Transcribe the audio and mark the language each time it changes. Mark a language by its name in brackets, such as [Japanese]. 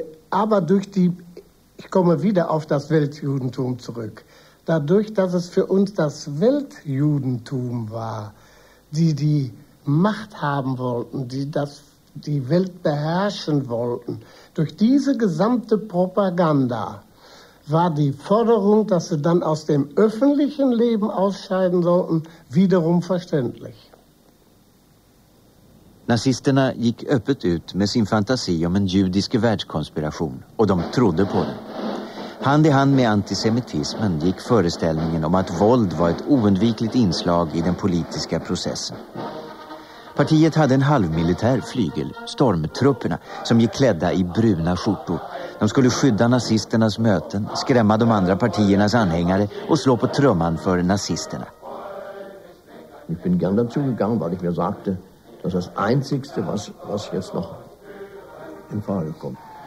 [German] Aber durch die, ich komme wieder auf das Weltjudentum zurück, dadurch, dass es für uns das Weltjudentum war, die Macht haben wollten, die Welt beherrschen wollten, durch diese gesamte Propaganda war die Forderung, dass sie dann aus dem öffentlichen Leben ausscheiden sollten, wiederum verständlich. [Swedish] Nazisterna gick öppet ut med sin fantasi om en judisk världskonspiration och de trodde på den. Hand i hand med antisemitismen gick föreställningen om att våld var ett oundvikligt inslag i den politiska processen. Partiet hade en halvmilitär flygel, stormtrupperna, som gick klädda i bruna skjortor. De skulle skydda nazisternas möten, skrämma de andra partiernas anhängare och slå på trumman för nazisterna. [German] Jag bin gärna dazu gegangen, weil ich mir sagte, dass das einzigste, was jetzt noch in Frage kommt.